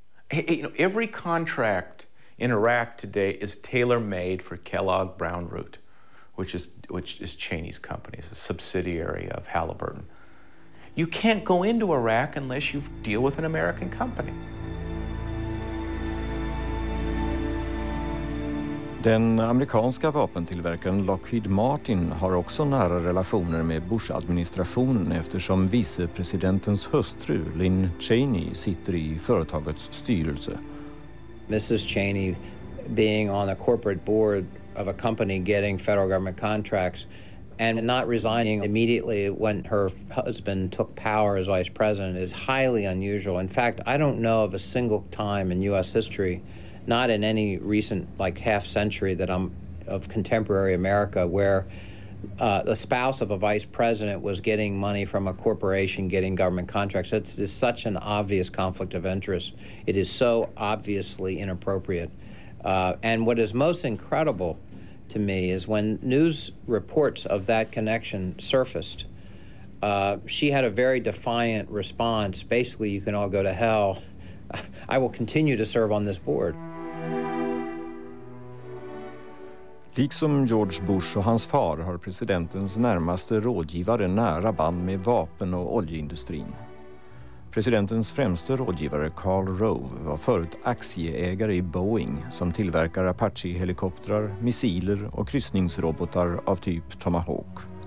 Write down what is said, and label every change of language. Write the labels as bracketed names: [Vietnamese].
[English] Hey, you know, every contract in Iraq today is tailor-made for Kellogg Brown Root, which is Cheney's company. It's a subsidiary of Halliburton. You can't go into Iraq unless you deal with an American company. [Swedish] Den amerikanska vapentillverkaren Lockheed Martin har också nära relationer med Bush-administrationen eftersom vicepresidentens hustru Lynn Cheney sitter i företagets styrelse. [English] Mrs. Cheney being on a corporate board of a company getting federal government contracts and not resigning immediately when her husband took power as vice president is highly unusual. In fact, I don't know of a single time in U.S. history, not in any recent, like, half century that I'm of contemporary America, where the spouse of a vice president was getting money from a corporation getting government contracts. It's such an obvious conflict of interest. It is so obviously inappropriate. And what is most incredible to me is when news reports of that connection surfaced, she had a very defiant response. Basically, you can all go to hell. I will continue to serve on this board. [Swedish] Liksom George Bush och hans far har presidentens närmaste rådgivare nära band med vapen- och oljeindustrin. Presidentens främste rådgivare Karl Rove var förut aktieägare i Boeing som tillverkar Apache-helikoptrar, missiler och kryssningsrobotar av typ Tomahawk.